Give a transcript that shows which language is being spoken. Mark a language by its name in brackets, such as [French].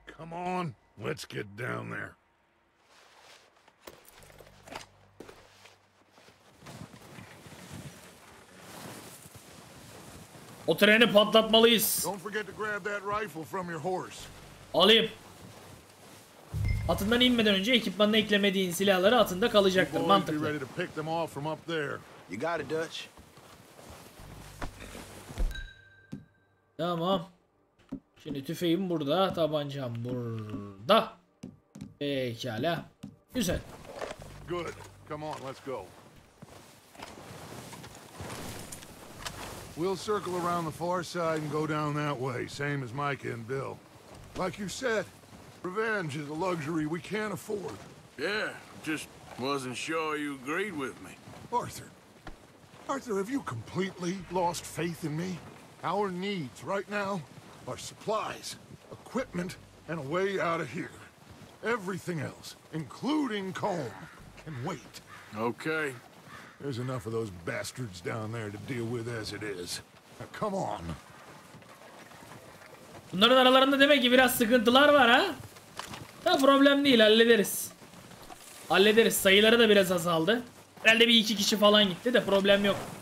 [English] Come on, let's get down there. [Turkish] O treni patlatmalıyız. [English] Don't forget to grab that rifle from your horse. [Turkish] Alayım. Atından inmeden önce ekipmanına eklemediğin silahları atında kalacaktır. [English] You [Turkish] mantıklı. [English] Ready to pick them off from up there. You got it, Dutch. [Turkish] Tamam. Şimdi tüfeğim burada, tabancam burada. Pekala. Güzel. [English] Good. Come on, let's go. We'll circle around the far side and go down that way, same as Mike and Bill. Like you said, revenge is a luxury we can't afford. Yeah, just wasn't sure you agreed with me. Arthur. Arthur, have you completely lost faith in me? Our needs right now are supplies, equipment, and a way out of here. Everything else, including Combe, can wait. Okay. There's enough of those bastards down there to deal with as it is. Now come on. [Turkish] Bunların aralarında demek ki biraz sıkıntılar var ha? Da problem değil, hallederiz. Hallederiz. Sayıları da biraz azaldı. Herhalde bir iki kişi falan gitti de problem yok.